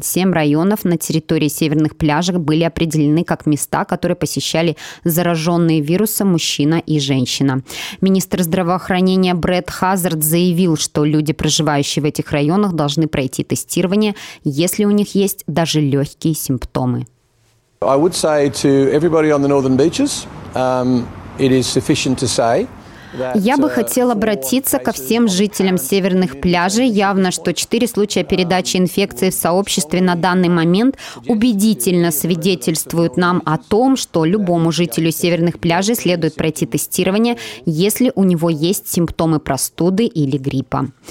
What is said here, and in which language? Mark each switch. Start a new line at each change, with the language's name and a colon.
Russian: Семь районов на территории северных пляжей были определены как места, которые посещали зараженные вирусом мужчина и женщина. Министр здравоохранения Брэд Хазард заявил, что люди, проживающие в этих районах, должны пройти тестирование, если у них есть даже легкие симптомы.
English: I would say to everybody on the northern beaches, it is sufficient to say.
Russian: Я бы хотел обратиться ко всем жителям северных пляжей. Явно, что 4 случая передачи инфекции в сообществе на данный момент убедительно свидетельствуют нам о том, что любому жителю северных пляжей следует пройти тестирование, если у него есть симптомы простуды или гриппа.